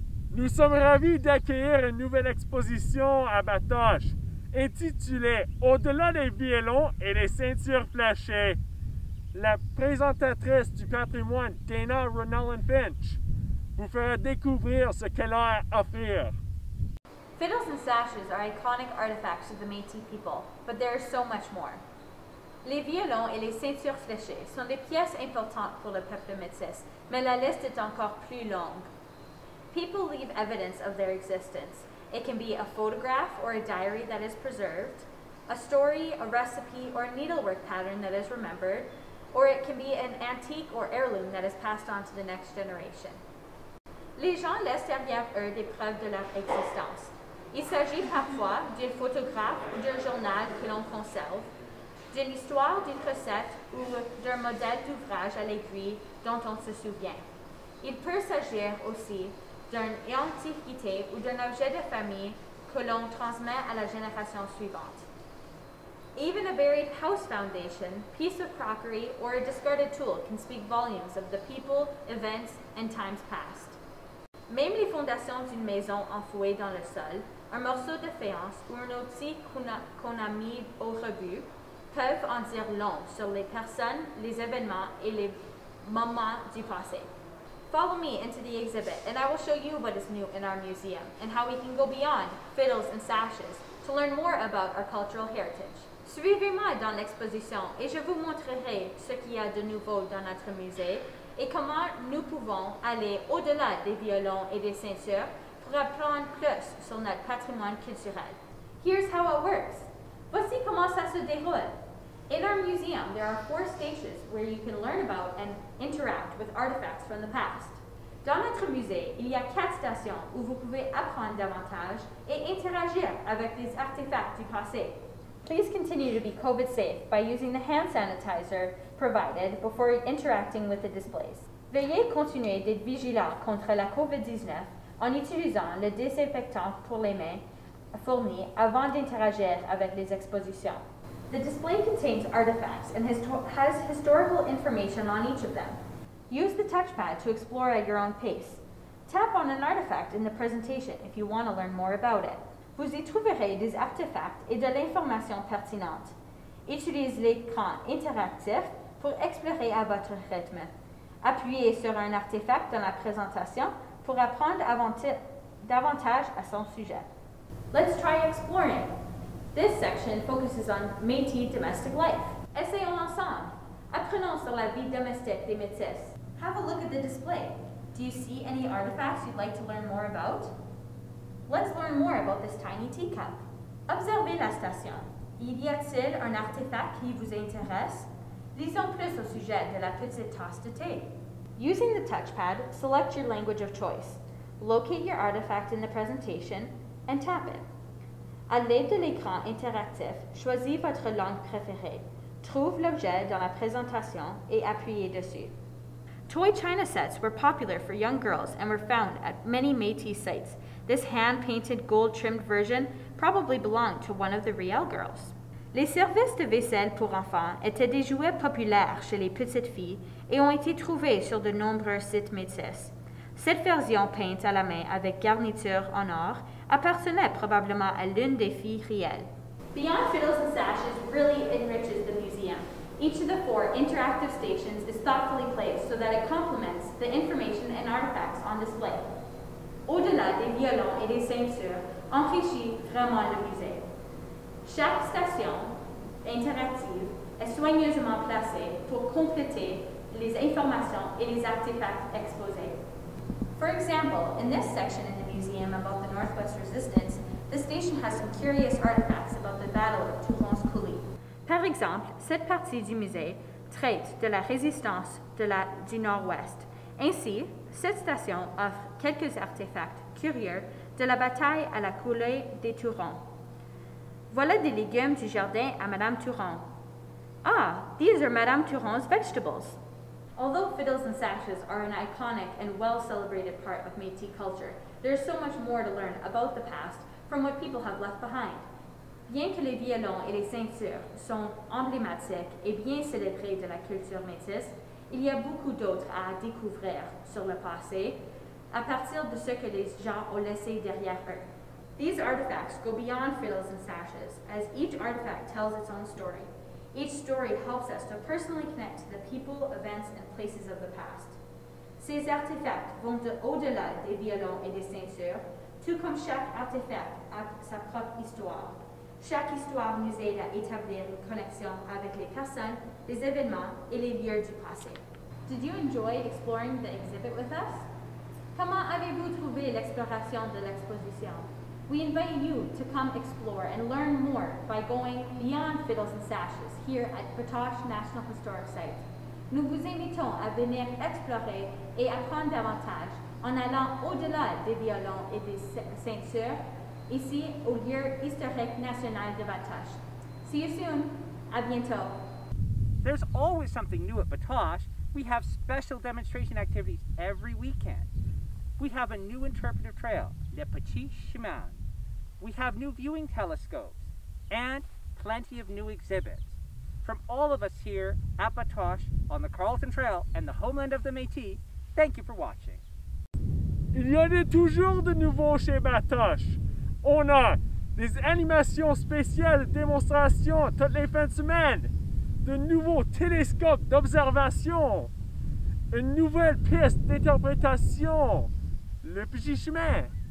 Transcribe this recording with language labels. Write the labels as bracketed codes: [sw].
[fr] Nous sommes ravis d'accueillir une nouvelle exposition à Batoche, intitulée Au-delà des violons et des ceintures flashées. La présentatrice du patrimoine Dana Ron Ellenfitch vous fera découvrir ce qu'elle a à offrir. [en] Fiddles and sashes are iconic artifacts of the Métis people, but there is so much more. [fr] Les violons et les ceintures fléchées sont des pièces importantes pour le peuple métis, mais la liste est encore plus longue. [en] People leave evidence of their existence. It can be a photograph or a diary that is preserved, a story, a recipe, or a needlework pattern that is remembered, or it can be an antique or heirloom that is passed on to the next generation. [fr] Les gens laissent derrière eux des preuves de leur existence. Il s'agit parfois d'un photographe ou d'un journal que l'on conserve, d'une histoire, d'une recette ou d'un modèle d'ouvrage à l'aiguille dont on se souvient. Il peut s'agir aussi d'une antiquité ou d'un objet de famille que l'on transmet à la génération suivante. [en] Even a buried house foundation, piece of crockery, or a discarded tool can speak volumes of the people, events, and times past. [fr] Même les fondations d'une maison enfouée dans le sol, un morceau de faïence ou un outil qu'on a mis au rebut peuvent en dire long sur les personnes, les événements et les moments du passé. [en] Follow me into the exhibit and I will show you what is new in our museum and how we can go beyond fiddles and sashes to learn more about our cultural heritage. [fr] Suivez-moi dans l'exposition et je vous montrerai ce qu'il y a de nouveau dans notre musée et comment nous pouvons aller au-delà des violons et des ceintures pour apprendre plus sur notre patrimoine culturel. [en] Here's how it works. [fr] Voici comment ça se déroule. [en] In our museum, there are four stages where you can learn about and interact with artifacts from the past. [fr] Dans notre musée, il y a quatre stations où vous pouvez apprendre davantage et interagir avec des artefacts du passé. [en] Please continue to be COVID safe by using the hand sanitizer provided before interacting with the displays. [fr] Veuillez continuer d'être vigilant contre la COVID-19 en utilisant le désinfectant pour les mains fourni avant d'interagir avec les expositions. [en] The display contains artifacts and has historical information on each of them. Use the touchpad to explore at your own pace. Tap on an artifact in the presentation if you want to learn more about it. [fr] Vous y trouverez des artefacts et de l'information pertinente. Utilisez l'écran interactif pour explorer à votre rythme. Appuyez sur un artefact dans la présentation pour apprendre davantage à son sujet. [en] Let's try exploring. This section focuses on Métis domestic life. [fr] Essayons ensemble. Apprenons sur la vie domestique des Métis. [en] Have a look at the display. Do you see any artifacts you'd like to learn more about? Let's learn more about this tiny teacup. [fr] Observez la station. Y a-t-il un artefact qui vous intéresse? Lisons plus au sujet de la petite tasse de thé. [en] Using the touchpad, select your language of choice. Locate your artifact in the presentation and tap it. [fr] À l'aide de l'écran interactif, choisis votre langue préférée. Trouve l'objet dans la présentation et appuyez dessus. [en] Toy china sets were popular for young girls and were found at many Métis sites. This hand-painted, gold-trimmed version probably belonged to one of the Riel girls. [fr] Les services de vaisselle pour enfants étaient des jouets populaires chez les petites filles et ont été trouvés sur de nombreux sites métis. Cette version peinte à la main avec garniture en or appartenait probablement à l'une des filles Riel. [en] Beyond Fiddles and Sashes really enriches the museum. Each of the four interactive stations is thoughtfully placed so that it complements the information and artifacts on display. [fr] Au-delà des violons et des ceintures, enrichit vraiment le musée. Chaque station interactive est soigneusement placée pour compléter les informations et les artefacts exposés. [en] For example, in this section in the museum about the Northwest Resistance, the station has some curious artifacts about the Battle of Tourance Coulee. [fr] Par exemple, cette partie du musée traite de la résistance du Nord-Ouest. Ainsi, cette station offre quelques artefacts curieux de la bataille à la coulée des Turons. Voilà des légumes du jardin à Madame Turon. [en] Ah, these are Madame Turon's vegetables. Although Fiddles and Sashes are an iconic and well-celebrated part of Métis culture, there is so much more to learn about the past from what people have left behind. [fr] Bien que les violons et les ceintures sont emblématiques et bien célébrés de la culture métisse, il y a beaucoup d'autres à découvrir sur le passé à partir de ce que les gens ont laissé derrière eux. [en] These artifacts go beyond fiddles and sashes, as each artifact tells its own story. Each story helps us to personally connect to the people, events, and places of the past. [fr] Ces artefacts vont de au-delà des violons et des ceintures, tout comme chaque artefact a sa propre histoire. Chaque histoire nous aide à établir une connexion avec les personnes, les événements et les lieux du passé. [en] Did you enjoy exploring the exhibit with us? [fr] Comment avez-vous trouvé l'exploration de l'exposition? [en] We invite you to come explore and learn more by going beyond Fiddles and Sashes here at Batoche National Historic Site. [fr] Nous vous invitons à venir explorer et apprendre davantage en allant au-delà des violons et des ceintures ici au lieu historique national de Batoche. [en] See you soon. [fr] À bientôt. [en] There's always something new at Batoche. We have special demonstration activities every weekend. We have a new interpretive trail, Le Petit Chemin. We have new viewing telescopes and plenty of new exhibits. From all of us here at Batoche on the Carlton Trail and the homeland of the Métis, thank you for watching. [fr] Il y a toujours de nouveau chez Batoche. On a des animations spéciales, démonstrations toutes les fins de semaine, de nouveaux télescopes d'observation, une nouvelle piste d'interprétation, Le Petit Chemin.